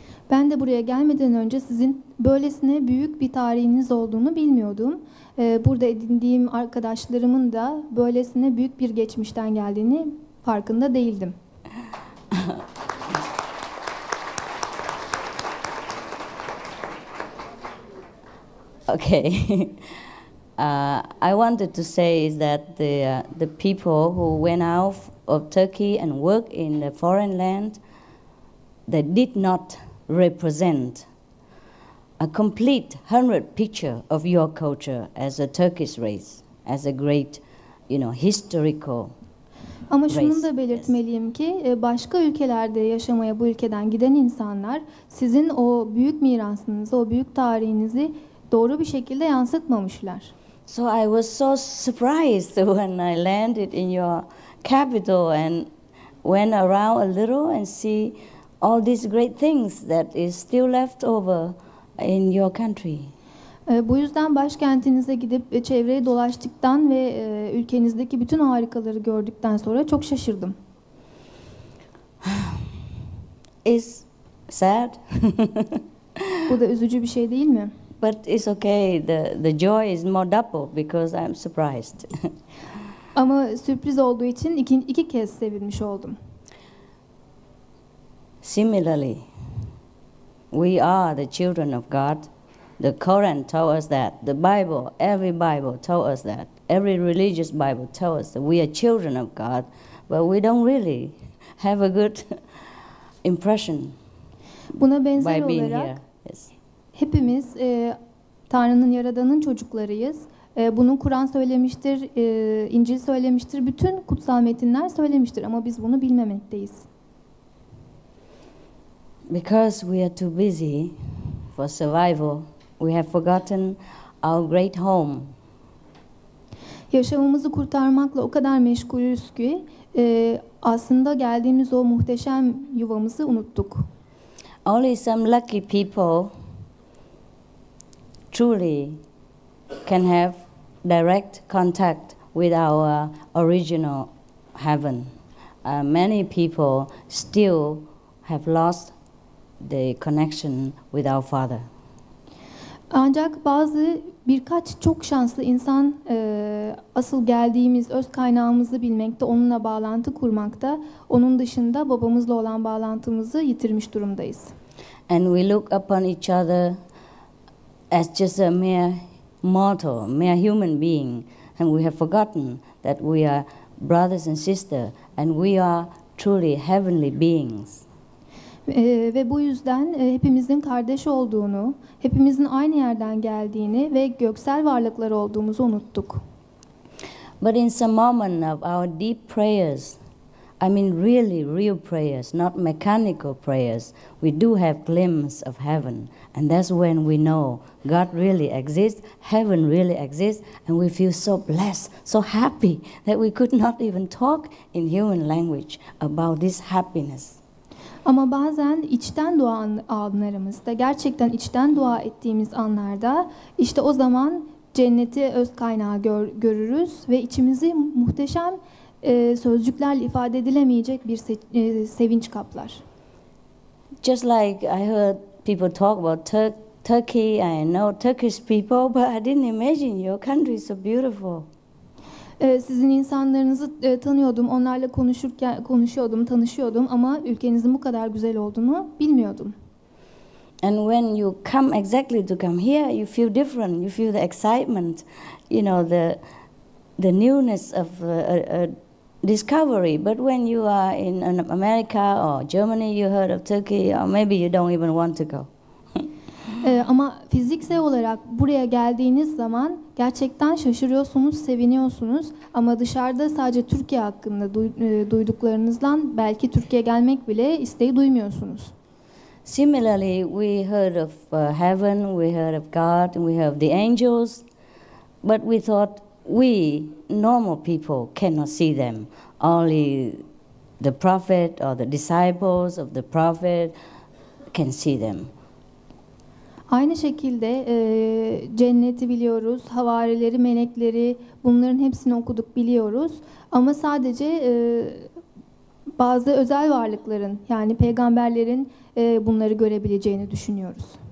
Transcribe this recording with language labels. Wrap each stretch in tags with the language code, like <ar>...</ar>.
<tr>Ben de buraya gelmeden önce sizin böylesine büyük bir tarihiniz olduğunu bilmiyordum. Burada edindiğim arkadaşlarımın da böylesine büyük bir geçmişten geldiğini farkında değildim.</tr> <en>Okay. I wanted to say is that the people who went out of Turkey and worked in the foreign land, they did not represent a complete 100 picture of your culture as a Turkish race, as a great, you know, historical.</en> <tr>Ama şunu da belirtmeliyim ki başka ülkelerde yaşamaya bu ülkeden giden insanlar sizin o büyük mirasınızı, o büyük tarihinizi doğru bir şekilde yansıtmamışlar.</tr> <en>So I was so surprised when I landed in your capital and went around a little and see all these great things that is still left over in your country.</en> <tr>Bu yüzden başkentinize gidip çevreyi dolaştıktan ve ülkenizdeki bütün harikaları gördükten sonra çok şaşırdım.</tr> <en>It's sad.</en> <tr>Bu da üzücü bir şey değil mi?</tr> <en>But it's okay. The joy is more double because I'm surprised.</en> <tr>Ama sürpriz olduğu için iki kez sevinmiş oldum.</tr> <en>Similarly, we are the children of God. The Quran told us that. The Bible, every Bible told us that. Every religious Bible told us that we are children of God, but we don't really have a good impression.</en> <tr>Buna benzer</tr> <en>by being</en> <tr>olarak.</tr> <en>Here.</en> <tr>Hepimiz Tanrı'nın, Yaradan'ın çocuklarıyız. Bunu Kur'an söylemiştir, İncil söylemiştir, bütün kutsal metinler söylemiştir ama biz bunu bilmemekteyiz.</tr> <en>Because we are too busy for survival, we have forgotten our great home.</en> <tr>Yaşamımızı kurtarmakla o kadar meşgulüz ki aslında geldiğimiz o muhteşem yuvamızı unuttuk.</tr> <en>Only some lucky people truly can have direct contact with our original heaven. Many people still have lost the connection with our Father.</en> <tr>Ancak bazı birkaç çok şanslı insan asıl geldiğimiz öz kaynağımızı bilmekte, onunla bağlantı kurmakta, onun dışında babamızla olan bağlantımızı yitirmiş durumdayız.</tr> <en>And we look upon each other as just a mere mortal, mere human being, and we have forgotten that we are brothers and sisters, and we are truly heavenly beings.</en> <tr>Ve bu yüzden hepimizin kardeş olduğunu, hepimizin aynı yerden geldiğini ve göksel varlıklar olduğumuzu unuttuk.</tr> <en>But in some moment of our deep prayers, I mean really real prayers, not mechanical prayers. We do have glimpse of heaven, and that's when we know God really exists, heaven really exists, and we feel so blessed, so happy that we could not even talk in human language about this happiness.</en> <tr>Ama bazen içten dua anlarımızda, gerçekten içten dua ettiğimiz anlarda, işte o zaman cenneti öz kaynağı görürüz ve içimizi muhteşem sözcüklerle ifade edilemeyecek bir sevinç kaplar.</tr> <en>Just like I heard people talk about Turkey, I know Turkish people, but I didn't imagine your country is so beautiful.</en> <tr>Sizin insanlarınızı tanıyordum, onlarla tanışıyordum ama ülkenizin bu kadar güzel olduğunu bilmiyordum.</tr> <en>And when you come exactly to come here, you feel different. You feel the excitement, you know, the newness of a discovery. But when you are in America or Germany, you heard of Turkey, or maybe you don't even want to go.</en> <tr>Ama fiziksel olarak buraya geldiğiniz zaman gerçekten şaşırıyorsunuz, seviniyorsunuz. Ama dışarıda sadece Türkiye hakkında duyduklarınızdan belki Türkiye'ye gelmek bile isteği duymuyorsunuz.</tr> <en>Similarly, we heard of heaven, we heard of God, and we heard of the angels, but we thought we normal people cannot see them. Only the prophet or the disciples of the prophet can see them.</en> <tr>Aynı şekilde cenneti biliyoruz, havarileri, melekleri, bunların hepsini okuduk, biliyoruz. Ama sadece bazı özel varlıkların, yani peygamberlerin bunları görebileceğini düşünüyoruz.</tr>